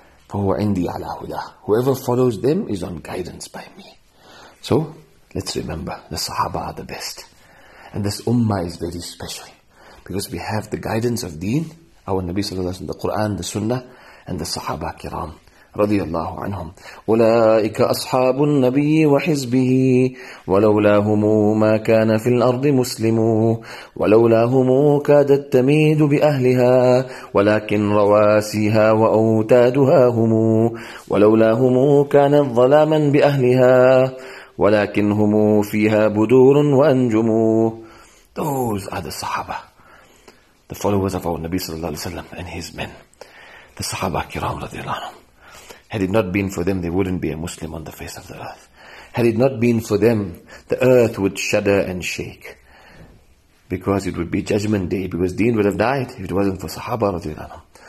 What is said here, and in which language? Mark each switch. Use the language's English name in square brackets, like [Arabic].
[Arabic] فَهُوَ عِنْدِي عَلَى هُدَى. [English] Whoever follows them is on guidance by me. So, let's remember, the Sahaba are the best. And this Ummah is very special, because we have the guidance of Deen, our Nabi sallallahu alayhi wa sallam, the Quran, the Sunnah, and the Sahaba kiram. [Arabic] رضي الله عنهم أولئك أصحاب النبي وحزبه ولولاهم ما كان في الأرض مسلم ولولاهم كادت تميد بأهلها ولكن رواسيها وأوتادها هم ولولاهم كانت ظلاما بأهلها ولكن هم فيها بدور وأنجم. [English] Those are the Sahaba, the followers of our Nabi sallallahu alayhi wa sallam and his men, the Sahaba kiram رضي الله عنهم. Had it not been for them, there wouldn't be a Muslim on the face of the earth. Had it not been for them, the earth would shudder and shake, because it would be judgment day, because Deen would have died if it wasn't for Sahaba radiallahu anhu.